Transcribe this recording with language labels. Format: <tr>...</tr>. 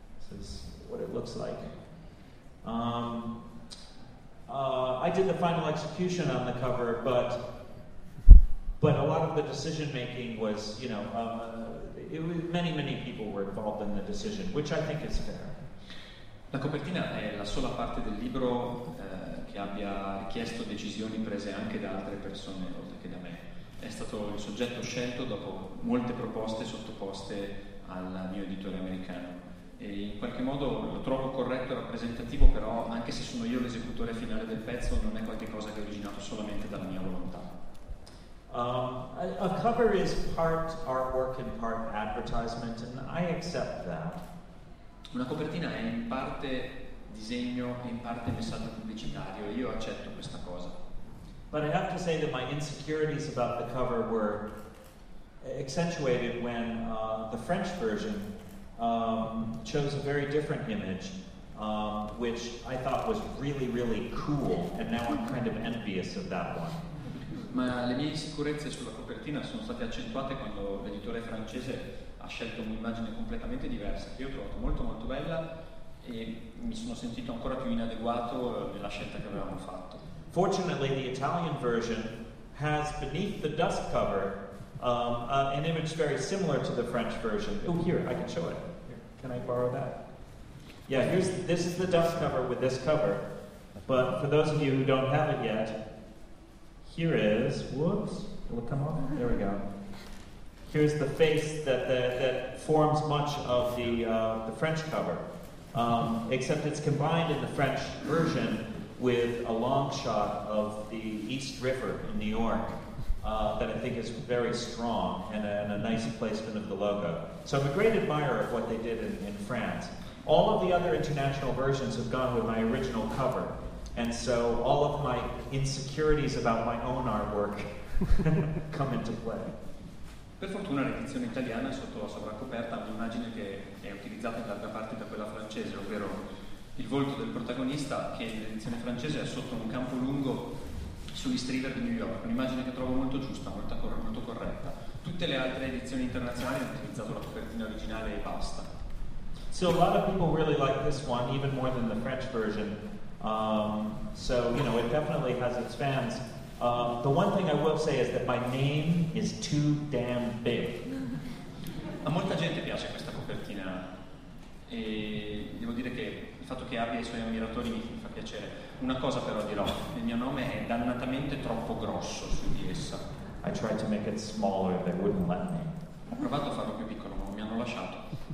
<en>This is what it looks like. I did the final execution on the cover, but a lot of the decision making was, you know, many people were involved in the decision, which I think is fair.</en> <it>La copertina è la sola parte del libro che abbia richiesto decisioni prese anche da altre persone oltre che da me. È stato il soggetto scelto dopo molte proposte sottoposte al mio editore americano. E in qualche modo lo trovo corretto e rappresentativo, però anche se sono io l'esecutore finale del pezzo, non è qualcosa che è originato solamente dalla mia volontà.</it> <en>A cover is part artwork and part advertisement, and I accept that.</en> <it>Una copertina è in parte disegno e in parte messaggio pubblicitario, e io accetto questa cosa.</it> <en>But I have to say that my insecurities about the cover were accentuated when the French version chose a very different image, which I thought was really, really cool, and now I'm kind of envious of that one.</en> <it>Ma le mie insicurezze sulla copertina sono state accentuate quando l'editore francese ha scelto un'immagine completamente diversa, che io ho trovato molto molto bella, e mi sono sentito ancora più inadeguato nella scelta che avevamo fatto.</it> <en>Fortunately, the Italian version has beneath the dust cover an image very similar to the French version. Oh, here, I can show it. Can I borrow that? Yeah, this is the dust cover with this cover. But for those of you who don't have it yet, here is, whoops, will it come on? There we go. Here's the face that forms much of the French cover, except it's combined in the French version with a long shot of the East River in New York that I think is very strong and a nice placement of the logo. So I'm a great admirer of what they did in France. All of the other international versions have gone with my original cover, and so all of my insecurities about my own artwork come into play.</en> <it>Per fortuna l'edizione italiana è sotto la sovraccoperta un'immagine che è utilizzata in larga parte da quella francese, ovvero il volto del protagonista, che nell'edizione francese è sotto un campo lungo sugli Streeter di New York, un'immagine che trovo molto giusta, molto corretta. Tutte le altre edizioni internazionali hanno utilizzato la copertina originale e basta.</it> <en>So a lot of people really like this one, even more than the French version. So, you know, it definitely has its fans. The one thing I will say is that my name is too damn big.</en> <it>A molta gente piace questa copertina e devo dire che il fatto che abbia i suoi ammiratori mi fa piacere. Una cosa però dirò, il mio nome è dannatamente troppo grosso su di essa.</it> <en>I tried to make it smaller, they wouldn't let me.</en> <it>Ho provato a farlo più piccolo, ma mi hanno lasciato.</it>